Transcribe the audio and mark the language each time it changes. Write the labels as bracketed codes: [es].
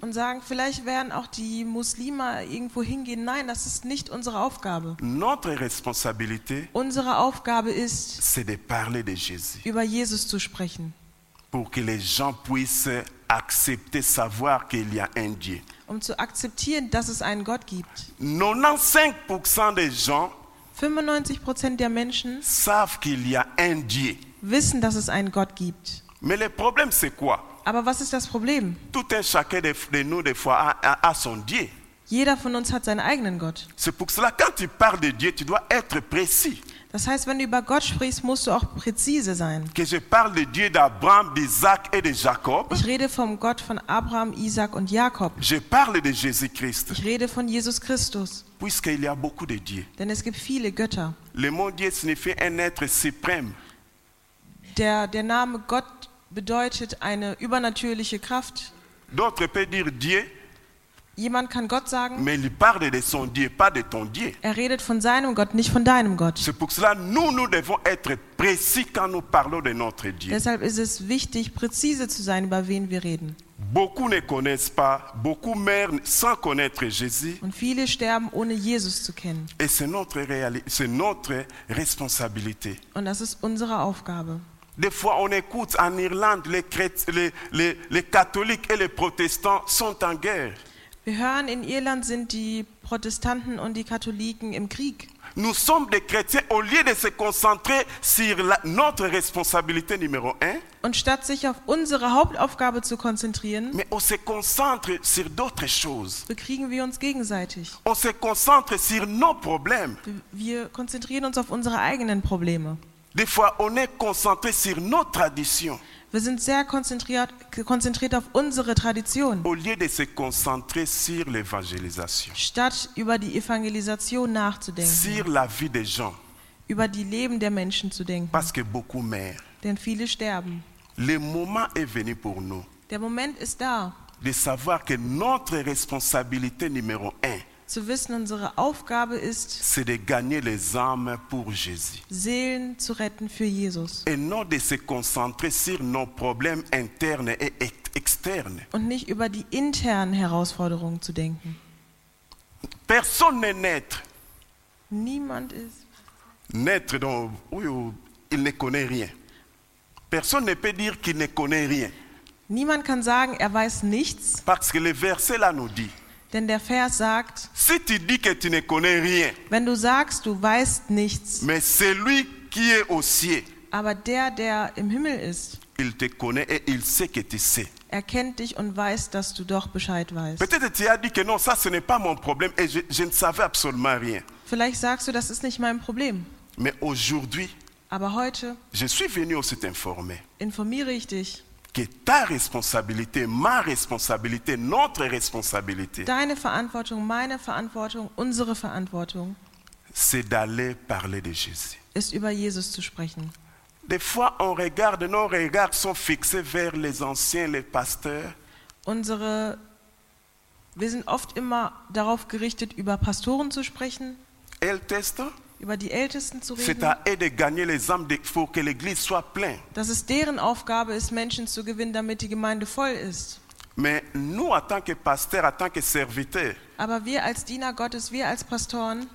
[de] Und sagen, vielleicht werden auch die Muslime irgendwo hingehen. Nein, das ist nicht unsere Aufgabe. [fr] Notre responsabilité. [de] Unsere Aufgabe ist, [fr] c'est de parler de Jésus. [de] Über Jesus zu sprechen. [fr] Pour que les gens puissent accepter savoir qu'il y a un Dieu. [de] Um zu akzeptieren, dass es einen Gott gibt. [fr] 95% des gens [de] 95% der Menschen [fr] savent qu'il y a un Dieu. [de] Wissen, dass es einen Gott gibt. [fr] Mais le problème, c'est quoi? [de] Aber was ist das Problem? [fr] Tout un chacun de nous, des fois, a son Dieu. [de] Jeder von uns hat seinen eigenen Gott. [fr] C'est pour cela, quand tu parles de Dieu, tu dois être précis. [de] Das heißt, wenn du über Gott sprichst, musst du auch präzise sein. [fr] Que je parle de Dieu d'Abraham, d'Isaac et de Jacob. [de] Ich rede vom Gott von Abraham, Isaac und Jakob. [fr] Je parle de Jésus Christ. [de] Ich rede von Jesus Christus. [fr] Puisqu'il y a beaucoup de Dieu. [de] Denn es gibt viele Götter. [fr] Le mot Dieu signifie un être suprême. [de] Der Name Gott bedeutet eine übernatürliche Kraft. [fr] D'autres peuvent dire Dieu. [de] Jemand kann Gott sagen, [fr] mais il parle de son Dieu, pas de ton Dieu. [de] Er redet von seinem Gott, nicht von deinem Gott. [fr] C'est pour cela, nous devons être précis quand nous parlons de notre Dieu. [de] Deshalb ist es wichtig, präzise zu sein, über wen wir reden. [fr] Beaucoup ne connaissent pas, beaucoup meurent sans connaître Jésus. [de] Und viele sterben, ohne Jesus zu kennen. [fr] Et c'est notre responsabilité. [de] Und das ist unsere Aufgabe. [fr] Des fois, on écoute en Irlande, les catholiques et les protestants sont en guerre. [de] Wir hören, in Irland sind die Protestanten und die Katholiken im Krieg. [fr] Nous sommes des chrétiens, au lieu de se concentrer sur notre responsabilité numéro un, [de] und statt sich auf unsere Hauptaufgabe zu konzentrieren, [fr] mais on se concentre sur d'autres choses. [de] Bekriegen wir uns gegenseitig. [fr] On se concentre sur nos problèmes. [de] Wir konzentrieren uns auf unsere eigenen Probleme. [fr] Des fois, on est concentré sur nos traditions. [de] Wir sind sehr konzentriert auf unsere Tradition. [fr] Au lieu de se concentrer sur l'évangélisation. [de] Statt über die Evangelisation nachzudenken. [fr] Sur la vie des gens. [de] Über die Leben der Menschen zu denken. [fr] Parce que beaucoup meurent. [de] Denn viele sterben. [fr] Le moment est venu pour nous. [de] Der Moment ist da. [fr] De savoir que notre responsabilité numéro un. [de] Zu wissen, unsere Aufgabe ist, [fr] c'est de gagner les âmes pour Jésus. [de] Seelen zu retten für Jesus. [fr] Et non de se concentrer sur nos problèmes internes et externes. [de] Und nicht über die internen Herausforderungen zu denken. [fr] Personne n'est naître. [de] Niemand ist. [fr] Naître, donc, il ne connaît rien. Personne ne peut dire qu'il ne connaît rien. [de] Niemand kann sagen, er weiß nichts. [fr] Parce que le verset là nous dit. [de] Denn der Vers sagt, [fr] si tu dis que tu ne connais rien, [de] wenn du sagst, du weißt nichts, [fr] mais celui qui est au ciel, [de] aber der im Himmel ist, [fr] il te connaît et il sait que tu sais. [de] Er kennt dich und weiß, dass du doch Bescheid weißt. [fr] Peut-être tu as dit que non, ça ce n'est pas mon problème et je ne savais absolument rien. [de] Vielleicht sagst du, das ist nicht mein Problem. [fr] Mais aujourd'hui, [de] aber heute, [fr] je suis venu aussi t'informer. [de] Informiere ich dich. [fr] Que ta responsabilité, ma responsabilité, notre responsabilité. [de] Deine Verantwortung, meine Verantwortung, unsere Verantwortung. [fr] C'est d'aller parler de Jésus. [de] Ist über Jesus zu sprechen. [fr] Des fois, on regarde, nos regards sont fixés vers les anciens, les pasteurs. [de] Wir sind oft immer darauf gerichtet, über Pastoren zu sprechen. Ältesten. Über die Ältesten zu reden. [fr] C'est à eux de gagner les âmes pour que l'église soit pleine. [de] Dass es deren Aufgabe ist, Menschen zu gewinnen, damit die Gemeinde voll ist. [fr] Mais nous, en tant que pasteur, en tant que serviteur, [de] aber wir als Diener Gottes, wir als Pastoren,